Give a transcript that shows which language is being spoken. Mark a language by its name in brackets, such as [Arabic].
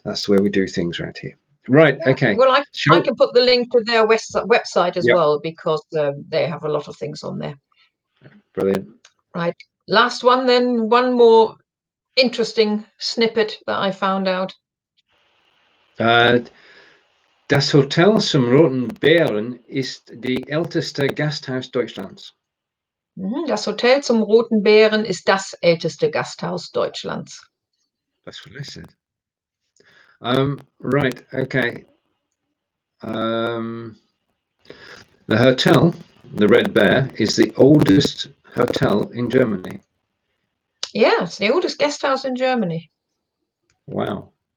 [English] That's where we do things around here. Right, okay. Well, I can put the link to their website as well, because they have a lot of things on there. Brilliant. Right, last one then, one more interesting snippet that I found out. [German] Das Hotel zum Roten Bären ist die älteste Gasthaus Deutschlands. Das Hotel zum Roten Bären ist das älteste Gasthaus Deutschlands. [English] That's what I said. Right, okay. The hotel, the Red Bear, is the oldest hotel in Germany. Yeah, it's the oldest guest house in Germany. Wow.